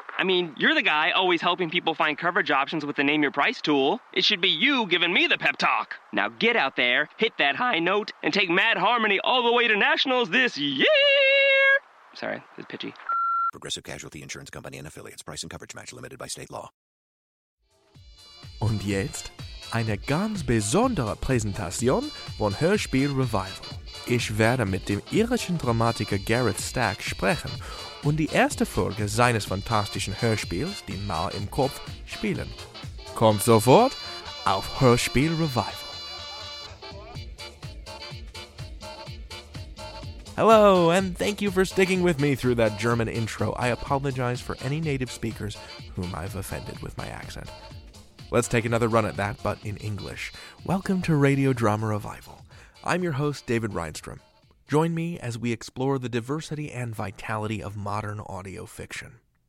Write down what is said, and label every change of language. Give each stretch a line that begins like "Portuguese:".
English: I mean, you're the guy always helping people find coverage options with the Name Your Price tool. It should be you giving me the pep talk. Now get out there, hit that high note, and take Mad Harmony all the way to nationals this year! Sorry, it's pitchy. Progressive Casualty Insurance Company and Affiliates. Price and coverage match limited by state law.
German: Und jetzt eine ganz besondere Präsentation von Hörspiel Revival. Ich werde mit dem irischen Dramatiker Gareth Stack sprechen und die erste Folge seines fantastischen Hörspiels, Die Mauer im Kopf, spielen. Kommt sofort auf Hörspiel Revival.
English: Hello, and thank you for sticking with me through that German intro. I apologize for any native speakers whom I've offended with my accent. Let's take another run at that, but in English. Welcome to Radio Drama Revival. I'm your host, David Reinstrom. Join me as we explore the diversity and vitality of modern audio fiction.